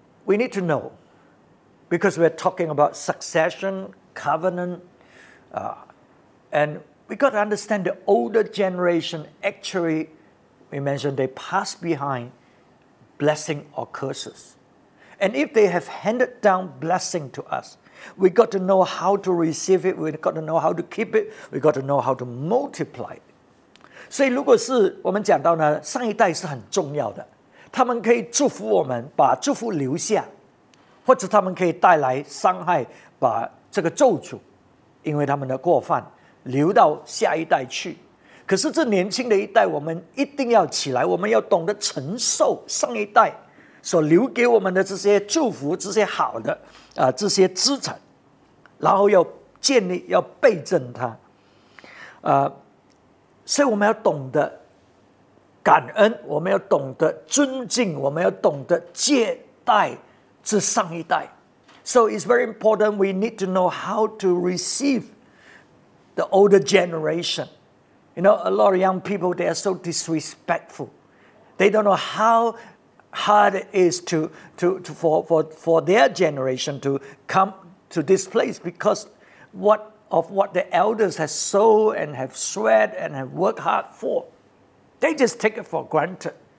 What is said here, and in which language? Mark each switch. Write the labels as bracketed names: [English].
[English] we need to know, because we're talking about succession, covenant, and we got to understand the older generation actually, we mentioned, they pass behind blessing or curses. And if they have handed down blessing to us, we got to know how to receive it, we got to know how to keep it, we got to know how to multiply it. [Chinese] 所以如果是我们讲到呢，上一代是很重要的，他们可以祝福我们，把祝福留下，或者他们可以带来伤害，把这个咒诅，因为他们的过犯留到下一代去。可是这年轻的一代，我们一定要起来，我们要懂得承受上一代所留给我们的这些祝福，这些好的这些资产，然后要建立，要倍增它，所以我们要懂得感恩，我们要懂得尊敬，我们要懂得接待这上一代。 [English] So it's very important we need to know how to receive the older generation. You know, a lot of young people, they are so disrespectful. They don't know how hard it is for their generation to come to this place, because what the elders have sowed and have sweat and have worked hard for, they just take it for granted.